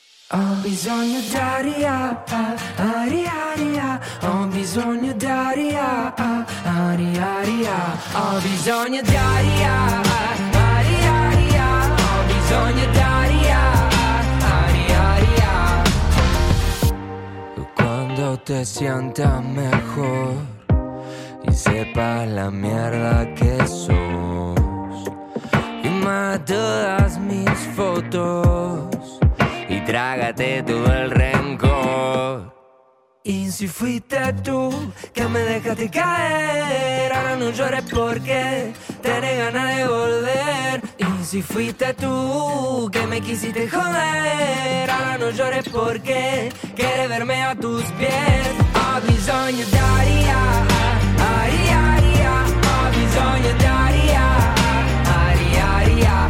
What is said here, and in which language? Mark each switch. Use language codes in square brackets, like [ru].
[it] Ho bisogno d'aria, aria, aria. Ho bisogno d'aria, aria, aria. Ho bisogno d'aria, aria, aria. Ho bisogno d'aria, aria, aria. [es] Quando te sienta mejor y sepa la mierda que sos, y me todas mis fotos y trágate todo el rencor. Y si fuiste tú que me dejaste caer, ahora no llores porque tenés ganas de volver. Y si fuiste tú que me quisiste joder, ahora no llores porque quieres verme a tus pies. [it] Ho bisogno de aria, aria, aria. Ho bisogno de aria, aria, aria.